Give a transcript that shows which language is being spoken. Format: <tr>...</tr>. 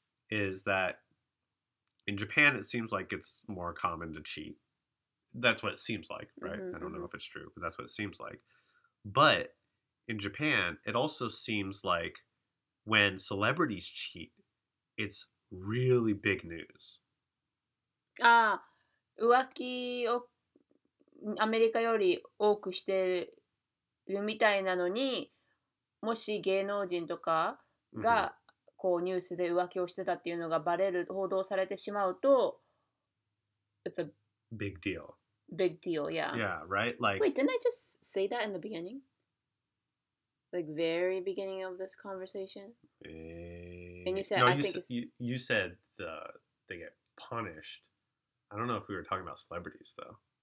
<en>is that in Japan, it seems like it's more common to cheat. That's what it seems like, right? Mm-hmm. I don't know if it's true, but that's what it seems like. But in Japan, it also seems like when celebrities cheat, it's really big news.</en> <ja>ああ、浮気をアメリカより多くしてるみたいなのに、もし芸能人とかがこうニュースで浮気をしてたっていうのがバレる、報道されてしまうと、</ja> <en>It's a big deal. Big deal, yeah. Yeah, right? Like, wait, didn't I just say that in the beginning? Like, very beginning of this conversation? And you said, no, I think you said they get punished. I don't know if we were talking about celebrities, though.</en>